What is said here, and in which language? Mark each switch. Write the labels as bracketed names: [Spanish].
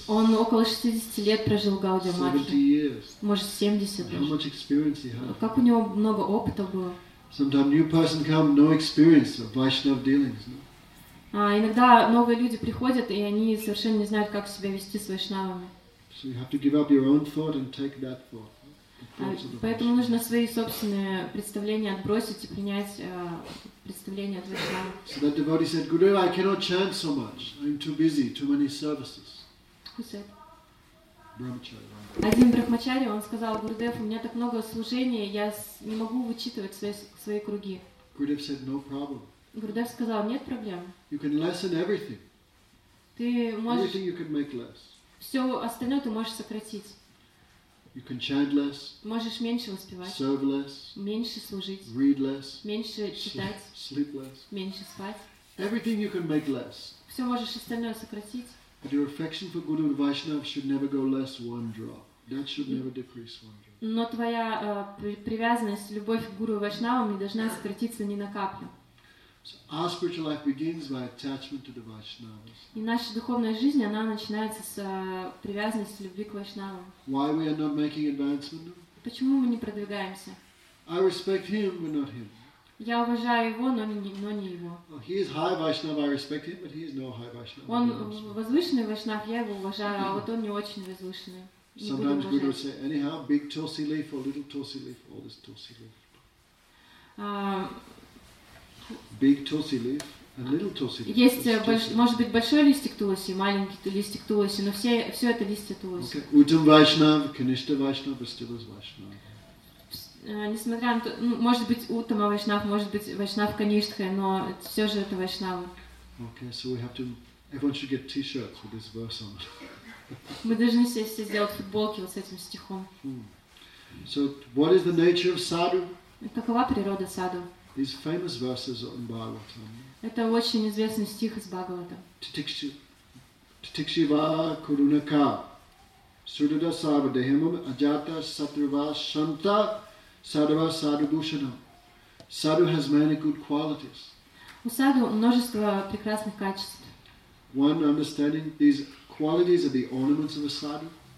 [Russian] Он около 60 лет прожил в Gaudiya Math. [English] 70 years. [Russian] Может, 70. [English] How much experience he has? [Russian] Как у него много опыта было? [English] Sometimes new person come, no experience of Vaishnava dealings. No? [Russian] Иногда новые люди приходят, и они совершенно не знают, как себя вести с вайшнавами. [English] So you have to give up your own thought and take that thought. [Russian] Поэтому нужно свои собственные представления отбросить и принять представление от вайшнава. [English] So that devotee said, Gurudev, I cannot chant so much. I'm too busy, too many services. Who said? Brahmachari. [Russian] Один брахмачари, он сказал, Гурудев, у меня так много служений, я не могу вычитывать свои круги. [English] Gurudev said, no problem. [Russian] Гурудев сказал, нет проблем. [English] You can lessen everything. [Russian] Ты можешь... [English] Everything you can make less. [Russian] Все остальное ты можешь сократить. [English] You can chant less. [Russian] Можешь меньше воспевать. [English] Serve less. [Russian] Меньше служить. [English] Read less. [Russian] Меньше читать. [English] Sleep less. [Russian] Меньше спать. [English] Everything you can make less. [Russian] Все можешь остальное сократить. [English] But your affection for Guru and Vaishnava should never go less one drop. That should never decrease one drop. [Russian] Но твоя привязанность, любовь к Гуру и Вайшнавам не должна сократиться ни на каплю. [English] So our spiritual life begins by attachment to the Vaishnavas. [Russian] И наша духовная жизнь, она начинается с привязанности любви к Вайшнавам. [English] Why we are not making advancement? [Russian] Почему мы не продвигаемся? [English] I respect him, but not him. [Russian] Я уважаю его, но не его. [English] He is high Vaishnava, I respect him, but he is no high Vaishnava. [Russian] Он возвышенный Вайшнав, я его уважаю, а вот он не очень возвышенный. [English] Sometimes Guru would say, anyhow, big Tulsi leaf or little Tulsi leaf, all this Tulsi leaf. Big Tulsi leaf and little Tulsi leaf. [Russian] Есть, может быть, большой листик Тулоси, маленький листик Тулоси, но все это листья Тулоси. [English] Okay. Uttam Vaishnav, Kanishta Vaishnav, but still is Vaishnav. [Russian] Несмотря на то, может быть, Uttama Vaishnav, может быть, Vaishnav Kanishta, но все же это Vaishnav. [English] Okay, so we have to, everyone should get t-shirts with this verse on it. [Russian] Мы должны все сделать футболки вот с этим стихом. [English] So, what is the nature of sadhu? [Russian] Какова природа саду? [English] These famous verses in Bhagavatam. [Russian] Это очень известный стих из Бхагавата. [Sanskrit] Титикшива курунака сурдада сарвадехам аджата сатрува шанта садва садубушана. [English] Sadhu has many good qualities. [Russian] У саду множество прекрасных качеств. [English] One understanding these qualities are the ornaments of a sadhu.